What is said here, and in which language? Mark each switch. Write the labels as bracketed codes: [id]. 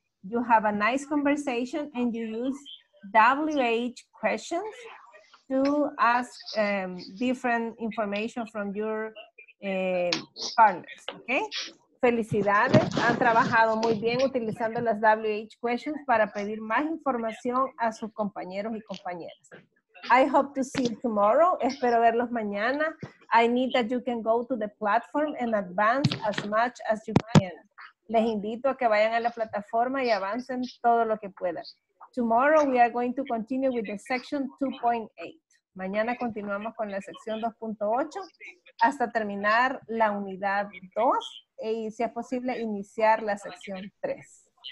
[en] You have a nice conversation and you use WH questions to ask different information from your partners, okay? [es] Felicidades, han trabajado muy bien utilizando las WH questions para pedir más información a sus compañeros y compañeras. [en] I hope to see you tomorrow. [es] Espero verlos mañana. [en] I need that you can go to the platform and advance as much as you can. [es] Les invito a que vayan a la plataforma y avancen todo lo que puedan. [en] Tomorrow we are going to continue with the section 2.8. [es] Mañana continuamos con la sección 2.8 hasta terminar la unidad 2 y si es posible iniciar la sección 3.